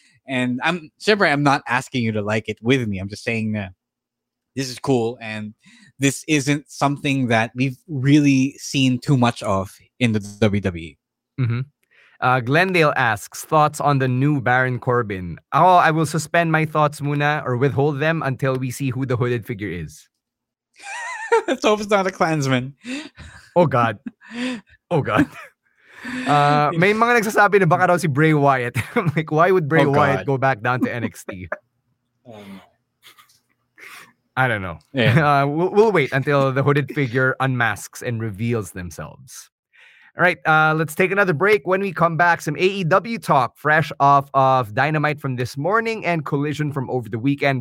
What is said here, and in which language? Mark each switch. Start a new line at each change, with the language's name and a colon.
English: And I'm not asking you to like it with me. I'm just saying that this is cool, and this isn't something that we've really seen too much of in the WWE. Mm-hmm. Glendale asks, thoughts on the new Baron Corbin? Oh, I will suspend my thoughts muna, or withhold them until we see who the hooded figure is. Let's hope it's not a Klansman. Oh God. Oh God.
Filipino: May mga nagsasabi na baka daw si Bray Wyatt.
English: Like, why would Bray Wyatt go back down to NXT? I don't know. Yeah. We'll wait until the hooded figure unmasks and reveals themselves. All right, let's take another break. When we come back, some AEW talk fresh off of Dynamite from this morning and Collision from over the weekend.